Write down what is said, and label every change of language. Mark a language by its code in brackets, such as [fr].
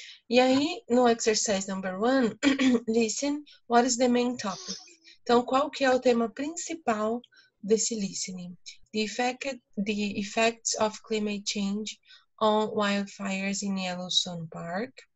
[pt] E aí, no [en] exercise number one, listen, what is the main topic? [pt] Então, qual que é o tema principal desse listening? [en] The effects of climate change on wildfires in Yellowstone Park.